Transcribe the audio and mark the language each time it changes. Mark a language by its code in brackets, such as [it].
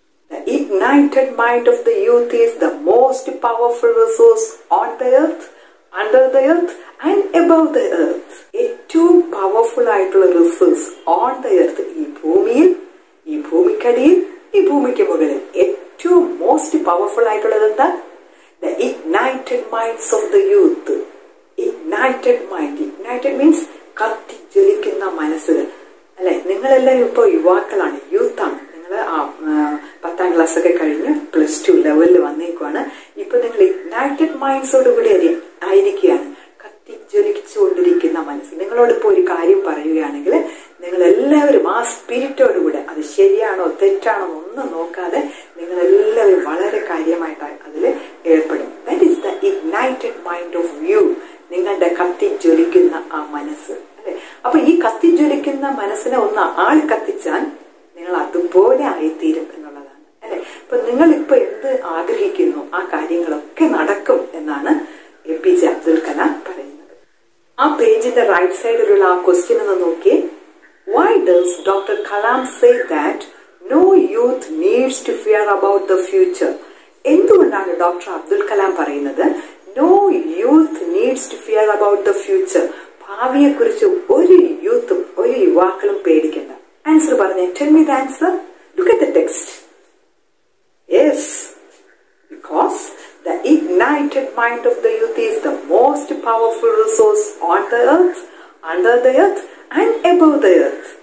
[en] The ignited mind of the youth is the most powerful resource on the earth, under the earth and above the earth. [ml] ഏറ്റവും powerful ആയിട്ടുള്ള resource on the earth, ഈ ഭൂമിയിൽ, ഈ ഭൂമിക്കടിയിൽ, ഈ ഭൂമിക്ക് മുകളിൽ ഏറ്റവും മോസ്റ്റ് പവർഫുൾ ആയിട്ടുള്ളത് എന്താ? [en] The ignited minds of the youth. Ignited mind. Ignited means [ml] കത്തി ജ്വലിക്കുന്ന മനസ്സുകൾ. അല്ലെ, നിങ്ങളെല്ലാം ഇപ്പോൾ യുവാക്കളാണ്, യൂത്ത് ആണ്. നിങ്ങൾ പത്താം ക്ലാസ് ഒക്കെ കഴിഞ്ഞ് പ്ലസ് ടു ലെവലിൽ വന്നേക്കുവാണ്. ഇപ്പൊ നിങ്ങൾ ഇഗ്നൈറ്റഡ് മൈൻഡ്സോടുകൂടി ആയിരിക്കുകയാണ്, കത്തി ജ്വലിച്ചുകൊണ്ടിരിക്കുന്ന മനസ്സ്. നിങ്ങളോടിപ്പോ ഒരു കാര്യം പറയുകയാണെങ്കിൽ നിങ്ങൾ എല്ലാവരും ആ സ്പിരിറ്റോടുകൂടെ, അത് ശരിയാണോ തെറ്റാണോ ഒന്നും നോക്കാതെ നിങ്ങൾ എല്ലാവരും വളരെ കാര്യമായിട്ട് അതിൽ ഏർപ്പെടും. [en] that is the ignited mind of you, [ml] നിങ്ങളുടെ കത്തി ജ്വലിക്കുന്ന ആ മനസ്സ്. അല്ലെ, അപ്പൊ ഈ കത്തി ജ്വലിക്കുന്ന മനസ്സിനെ ഒന്ന് ആൾ കത്തിച്ചാൽ നിങ്ങൾ അതുപോലെ ആയിത്തീരും എന്നുള്ളതാണ്. അല്ലെ, അപ്പൊ നിങ്ങൾ ഇപ്പൊ എന്ത് ആഗ്രഹിക്കുന്നു ആ കാര്യങ്ങളൊക്കെ നടക്കും എന്നാണ് A P J Abdul Kalam പറയുന്നത്. ആ പേജിന്റെ റൈറ്റ് സൈഡിലുള്ള ആ ക്വസ്റ്റ്യൻ ഒന്ന് നോക്കി. [en] Why does Dr. Kalam say that no youth needs to fear about the future? [ml] എന്തുകൊണ്ടാണ് ഡോക്ടർ അബ്ദുൽ കലാം പറയുന്നത് [en] No youth needs to fear about the future? [ml] ഭാവിയെ കുറിച്ച് ഒരു യൂത്തും ഒരു യുവാക്കളും പേടിക്കണ്ട. ആൻസർ പറഞ്ഞേ, [en] Tell me the answer. Look at the text. Yes, because the ignited mind of the youth is the most powerful resource on the earth, under the earth and above the earth.